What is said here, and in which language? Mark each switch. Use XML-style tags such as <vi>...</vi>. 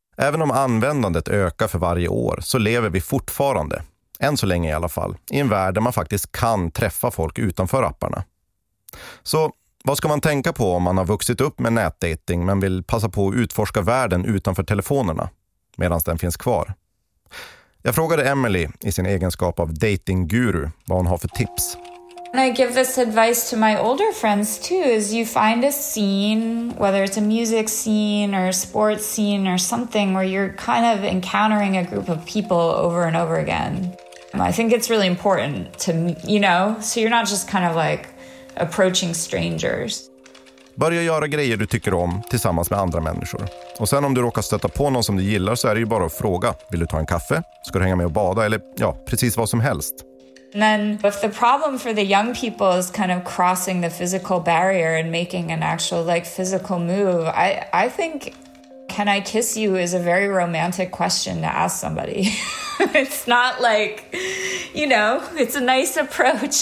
<sv>Även om användandet ökar för varje år så lever vi fortfarande, än så länge i alla fall, i en värld där man faktiskt kan träffa folk utanför apparna. Så vad ska man tänka på om man har vuxit upp med nätdating men vill passa på att utforska världen utanför telefonerna medan den finns kvar? Jag frågade Emily i sin egenskap av datingguru vad hon har för tips.</sv> <en>And I give this advice to my older friends too, is you find a scene, whether it's a music scene or a sports scene or something, where you're kind of encountering a group of people over and over again. And I think it's really important to, you know, so you're not just kind of like approaching strangers.</en> <sv>Börja göra grejer du tycker om tillsammans med andra människor. Och sen om du råkar stöta på någon som du gillar så är det ju bara att fråga. Vill du ta en kaffe? Ska du hänga med och bada? Eller ja, precis vad som helst.</sv> <en>And then if the problem for the young people is kind of crossing the physical barrier and making an actual like physical move, I think can I kiss you is a very romantic question to ask somebody. It's not like, you know, it's a nice approach.</en>